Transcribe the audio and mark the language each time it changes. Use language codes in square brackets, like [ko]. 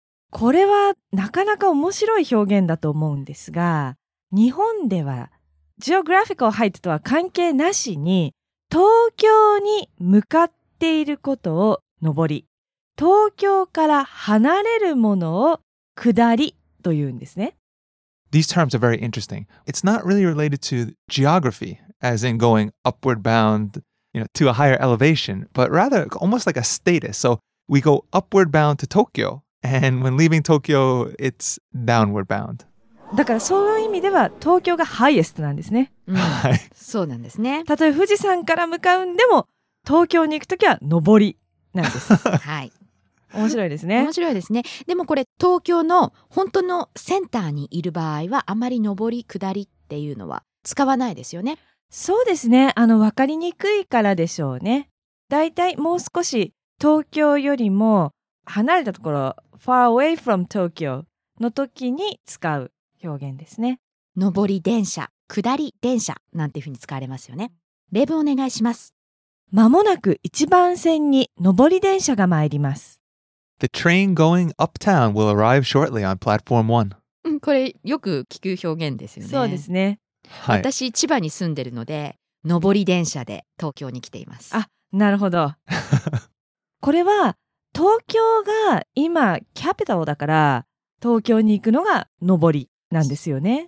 [ja] これはなかなか面白い表現だと思うんですが、日本ではジオグラフィカルハイトとは関係なしに、東京に向かっていることを上り、東京から離れるものを下りというんですね。 [en] These terms are very interesting. It's not really related to geography, as in going upward bound, you know, to a higher elevation, but rather almost like a status. So we go upward bound to Tokyo. And when leaving Tokyo, it's downward bound. [ja] だからそういう意味では東京がハイエストなんですね。はい。そうなんですね。たとえ富士山から向かうんでも、東京に行くときは上りなんです。はい。面白いですね。面白いですね。でもこれ東京の本当のセンターにいる場合は、あまり上り下りっていうのは使わないですよね。そうですね。分かりにくいからでしょうね。だいたいもう少し東京よりも離れたところ、 [en] far away from Tokyo [ja] の時に使う表現ですね。上り電車下り電車なんていうふうに使われますよね。例文お願いします。まもなく一番線に上り電車が参ります。 [en] The train going uptown will arrive shortly on platform 1. [ja] これよく聞く表現ですよね。そうですね、はい、私千葉に住んでるので上り電車で東京に来ています。あ、なるほどこれは東京が今キャピタルだから東京に行くのが上りなんですよね。